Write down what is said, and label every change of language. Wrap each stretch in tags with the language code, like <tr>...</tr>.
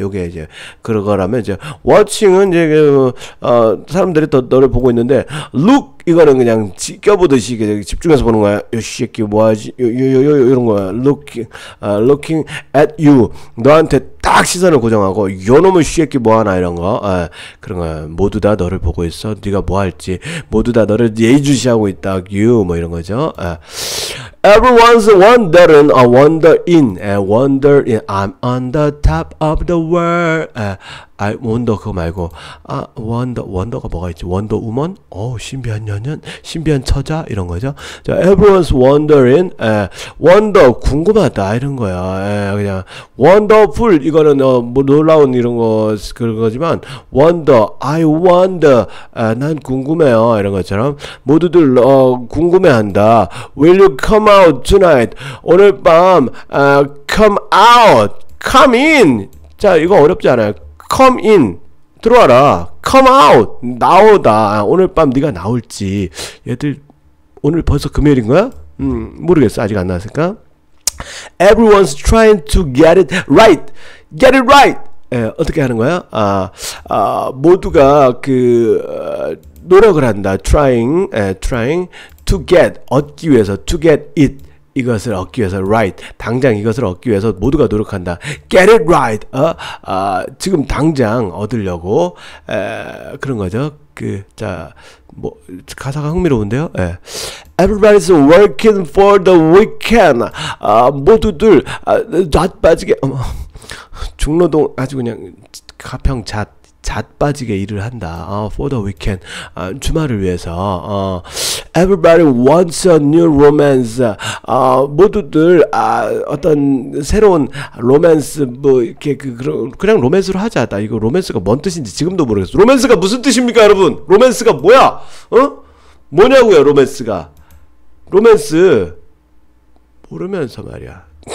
<ko>요게 이제, 그러거라면, 이제, watching은 이제, 사람들이 너를 보고 있는데, look, 이거는 그냥 지켜보듯이 집중해서 보는 거야. 요 새끼 뭐하지? 이런 거야.</ko> <en>looking at you.</en> <ko>너한테 딱 시선을 고정하고, 요 놈은 새끼 뭐하나? 이런 거. 아, 그런 거야. 모두 다 너를 보고 있어. 네가 뭐 할지. 모두 다 너를 예의주시하고 있다. you. 뭐 이런 거죠. 아.</ko> <en>Everyone's wondering, wonder in. I'm on the top of the world. I wonder</en> <ko>그거 말고. 아, wonder가 뭐가 있지? Wonder Woman? 오, 신비한 년년? 신비한 처자? 이런 거죠.</ko> <en>자, everyone's wondering, wonder,</en> <ko>궁금하다. 이런 거야. 그냥, wonderful. 이거는, 놀라운 이런 거, 그런 거지만, wonder,</ko> <en>I wonder.</en> <ko>난 궁금해요. 이런 것처럼. 모두들, 궁금해한다.</ko> <en>Will you come out tonight?</en> <ko>오늘 밤,</ko> <en>come out. Come in.</en> <ko>자, 이거 어렵지 않아요? Come in. 들어와라.</ko> <en>Come out.</en> <ko>나오다. 오늘 밤 네가 나올지. 얘들 오늘 벌써 금요일인 거야? 모르겠어. 아직 안 나왔을까?</ko> <en>Everyone's trying to get it right. Get it right.</en> <ko>예, 어떻게 하는 거야? 모두가 그 노력을 한다. Trying.</ko> <en>예, trying to get.</en> <ko>얻기 위해서.</ko> <en>To get it.</en> <ko>이것을 얻기 위해서 right 당장 이것을 얻기 위해서 모두가 노력한다.</ko> <en>Get it right.</en> <ko>지금 당장 얻으려고 그런 거죠. 그 자 뭐 가사가 흥미로운데요. 에.</ko> <en>Everybody's working for the weekend.</en> <ko>모두들 낮 빠지게 중노동 아주 그냥 하평 잣, 잣 빠지게 일을 한다.</ko> <en>For the weekend.</en> <ko>주말을 위해서.</ko> <en>Everybody wants a new romance.</en> <ko>모두들 어떤 새로운 로맨스 뭐 이렇게 그냥 로맨스로 하자. 나 이거 로맨스가 뭔 뜻인지 지금도 모르겠어. 로맨스가 무슨 뜻입니까, 여러분? 로맨스가 뭐야? 어? 뭐냐고요, 로맨스가? 로맨스 모르면서 말이야.</ko>